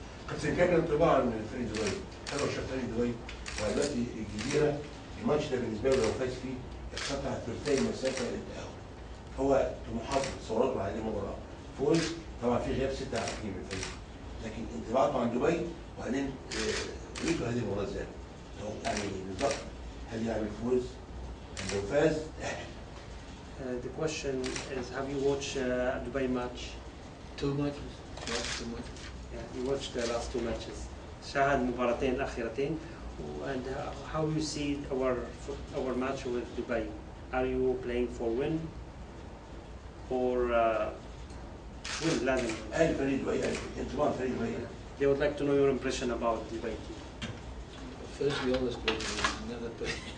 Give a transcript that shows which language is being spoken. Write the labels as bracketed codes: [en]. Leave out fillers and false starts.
[ar] كابتن، كيف الانطباع من فريق دبي؟ هل هو شايف فريق دبي والتي الكبيرة الماتش ده بالنسبة له لو فاز فيه يقتطع ثلثي مسافة للتأهل؟ هو طموحات تصوراته على هذه المباراة فوز، طبعا في غياب ستة لاعبين من الفريق، لكن انطباعاته عن دبي وبعدين تريد هذه المباراة ازاي؟ توقع يعني بالضبط، هل يعني فوز؟ لو فاز [en] The question is, have you watched Dubai match? Two matches. Not too much. Yeah, you watched the last two matches. [ar] شاهد المباراتين الأخيرتين. [en] And how you see our match with Dubai? Are you playing for win? Or win [ar] لازم؟ أهل فريق دبي، انطباع فريق دبي. [en] They would like to know your impression about Dubai team. First, we always play, we never play.